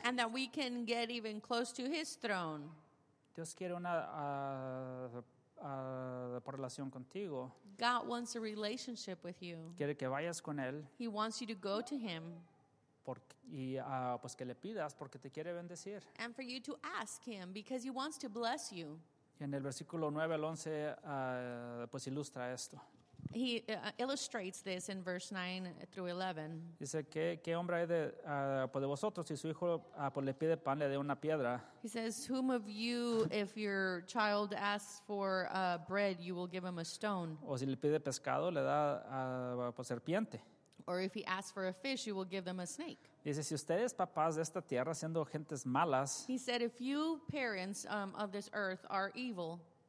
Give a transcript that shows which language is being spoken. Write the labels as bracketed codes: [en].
[en] And that we can get even close to his throne. [es] Dios quiere una por relación contigo. [en] God wants a relationship with you. [es] Quiere que vayas con él. [en] He wants you to go to him. [es] Y que le pidas porque te quiere bendecir. [en] And for you to ask him because he wants to bless you. [es] Y en el versículo 9 al 11 ilustra esto. [en] He illustrates this in verse 9 through 11. [es] Dice que qué hombre hay de vosotros si su hijo le pide pan le dé una piedra. [en] He says, whom of you, if your child asks for bread, you will give him a stone? [es] O si le pide pescado le da serpiente. [en] Or if he asks for a fish, you will give them a snake. [es] Dice si ustedes papás de esta tierra siendo gentes malas. [en] He said, if you parents of this earth are evil.